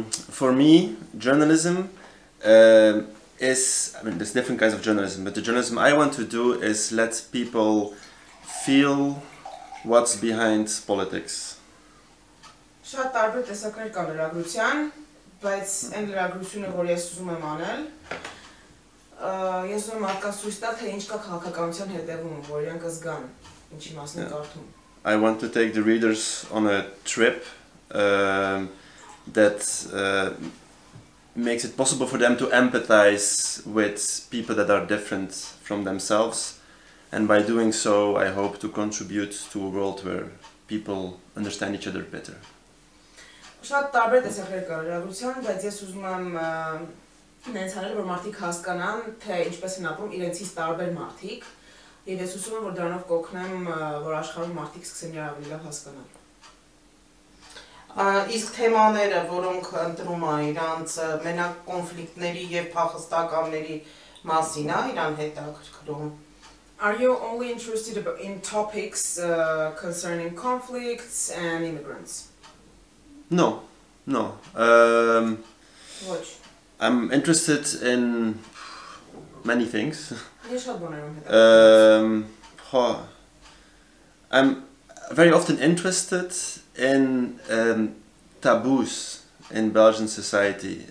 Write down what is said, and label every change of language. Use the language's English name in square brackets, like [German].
[English] For me, journalism is, I mean, there's different kinds of journalism, but the journalism I want to do is let people feel what's behind politics. [Armenian] Շատ տարբեր տեսակներ կան լրագրության, բայց այն լրագրությունը, որ ես ուզում եմ անել, ես ուզում եմ մարդկանց ցույց տալ, թե ինչ կա քաղաքականության հետևում, որ իրենք զգան, ինչի մասն եք կարդում։ [English] I want to take the readers on a trip that makes it possible for them to empathize with people that are different from themselves. And by doing so, I hope to contribute to a world where people understand each other better. [Armenian] Շատ տարբեր տեսակներ կան լրագրության, բայց ես ուզում եմ նենց հանել, որ մարդիկ հասկանան, թե ինչպես են ապրում իրենցից տարբեր մարդիկ, և ես ուզում եմ, որ դրանով կօգնեմ, որ աշխարհում մարդիկ սկսեն ավելի լավ հասկանալ։ Իսկ թեմաները, որոնք ընտրում ա իրանց, մենակ կոնֆլիկտների և փախստականների մասին ա իրան հետաքրքրում։ [English] Are you only interested in topics concerning conflicts and immigrants? No. What? I'm interested in many things. I'm very often interested in taboos in Belgian society.